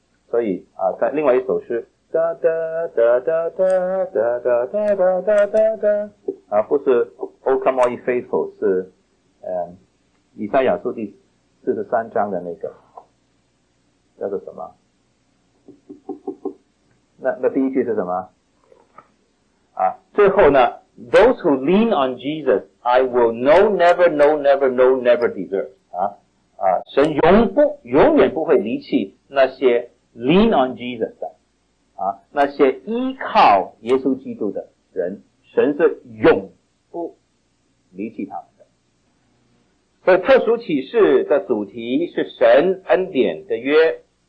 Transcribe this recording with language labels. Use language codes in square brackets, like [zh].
[zh] 所以啊，在另外一首诗，哒哒哒哒哒哒哒哒哒哒哒哒，啊，不是 [en] O come all ye faithful， [zh] 是以赛亚书第43章的那个叫做什么？那第一句是什么？ [en] 啊，最后呢 ？Those who lean on Jesus, I will never desert。 [zh] 啊，神永远不会离弃那些 [en] lean on Jesus [zh] 的，啊，那些依靠耶稣基督的人，神是永不离弃他们的。所以特殊启示的主题是神恩典的约。